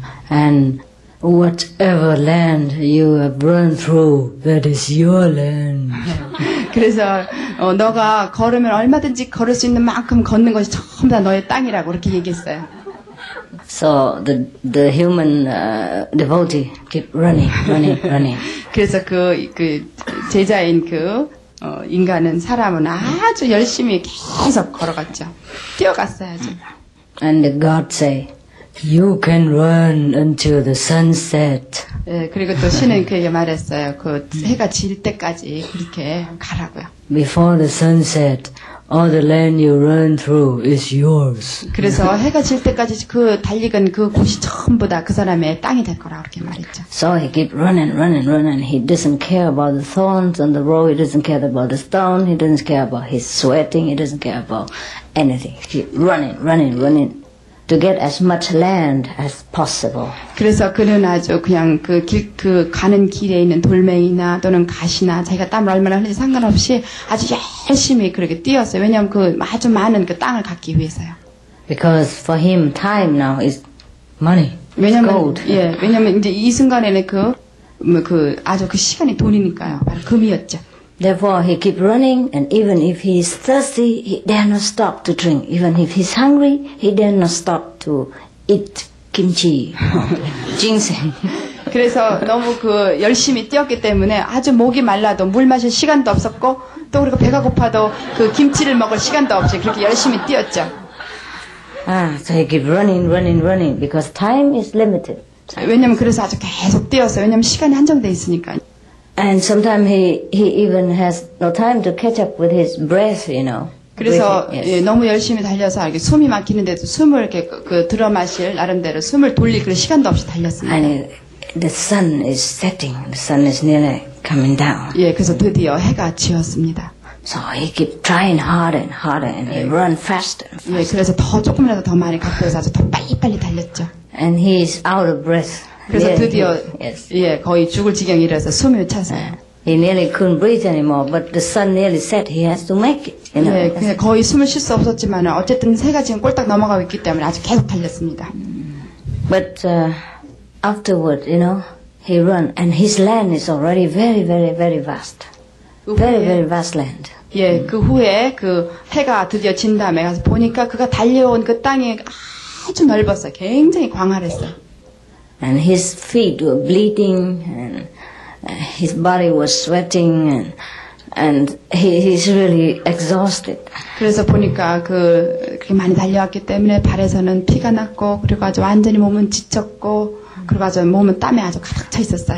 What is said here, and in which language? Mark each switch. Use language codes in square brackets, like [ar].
[en] And whatever land you have run through, that is your land. [ko] 그래서 너가 걸으면 얼마든지 걸을 수 있는 만큼 걷는 것이 전부 다 너의 땅이라고 그렇게 얘기했어요. [en] So the human devotee keep running. [ko] 그래서 그 제자인 그 인간은 사람은 아주 열심히 계속 걸어갔죠. 뛰어갔어요, 아주. [en] And the God say, you can run until the sunset. [ko] 예, 그리고 또 신은 그에게 말했어요. 그 해가 질 때까지 그렇게 가라고요. [en] Before the sunset, all the land you run through is yours. [ko] 그래서 해가 질 때까지 그 달리건 그 곳이 전부 다 그 사람의 땅이 될 거라고 그렇게 말했죠. [en] So he keep running. He doesn't care about the thorns on the road. He doesn't care about the stone. He doesn't care about his sweating. He doesn't care about anything. He keep running. To get as much land as possible. [ko] 그래서 그는 아주 그냥 그 가는 길에 있는 돌멩이나 또는 가시나 자기가 땀을 얼마나 흘리지 상관없이 아주 열심히 그렇게 뛰었어요. 왜냐하면 그 아주 많은 그 땅을 갖기 위해서요. [en] Because for him, time now is money. Gold. [ko] 예, 왜냐하면 이제 이 순간에는 그 아주 그 시간이 돈이니까요. 바로 금이었죠. [en] Therefore, he keep running, and even if he is thirsty, he dare not stop to drink. Even if he's hungry, he dare not stop to eat kimchi, ginseng. [ko] 그래서 너무 그 열심히 뛰었기 때문에 아주 목이 말라도 물 마실 시간도 없었고 또 그리고 배가 고파도 그 김치를 먹을 시간도 없이 그렇게 열심히 뛰었죠. [en] So he keep running, because time is limited. [ko] 왜냐면 그래서 아주 계속 뛰었어요. 왜냐면 시간이 한정돼 있으니까. [en] And sometimes he even has no time to catch up with his breath, you know. [ko] 그래서 [en] yes. [ko] 예, 너무 열심히 달려서 이렇게 숨이 막히는데도 숨을 이렇게 그 들어마실 나름대로 숨을 돌릴 그런 시간도 없이 달렸습니다. [en] And the sun is setting. The sun is nearly coming down. [ko] 예, 그래서 드디어 해가 지었습니다. [en] So he keep trying harder, and he run faster. [ko] 예, 그래서 더 조금이라도 더 많이 갖고 와서 아주 더 빨리 달렸죠. [en] And he is out of breath. [ko] 그래서 드디어 [en] yes. [ko] 예 거의 죽을 지경이라서 숨을 찼어요. [en] He nearly couldn't breathe anymore, but the sun nearly set. He has to make it. You know? [ko] 예, 그냥 거의 숨을 쉴 수 없었지만 어쨌든 해가 지금 꼴딱 넘어가고 있기 때문에 아주 계속 달렸습니다. [en] But afterward, you know, he run and his land is already very, very, very vast. Very, very vast land. [ko] 예, 그 후에 그 해가 드디어 진 다음에 가서 보니까 그가 달려온 그 땅이 아주 넓었어요. 굉장히 광활했어요. [en] And his feet were bleeding, and his body was sweating, and he's really exhausted. [ko] 그래서 보니까 그렇게 많이 달려왔기 때문에 발에서는 피가 났고, 그리고 아주 완전히 몸은 지쳤고, 그리고 아주 몸은 땀에 아주 가득 차 있었어요.